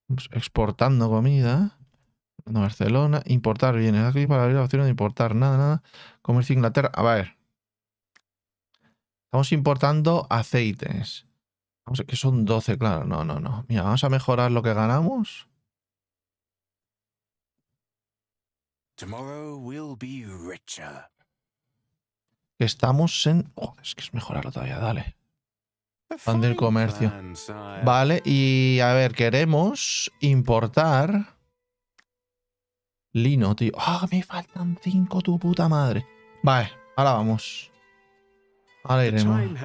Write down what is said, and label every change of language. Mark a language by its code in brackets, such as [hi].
[es] Exportando comida. Barcelona. Importar bienes. Aquí para abrir la opción de importar. Nada. Comercio Inglaterra. A ver. Estamos importando aceites. Vamos a ver, que son 12, claro. No. Mira, vamos a mejorar lo que ganamos. [en] Tomorrow we'll be richer. [es] Estamos en... Joder, es que es mejorarlo todavía. Dale. Fan del comercio. Vale, y a ver, queremos importar lino, tío. ¡Ah, me faltan 5, tu puta madre! Vale, ahora vamos. Ahora iremos.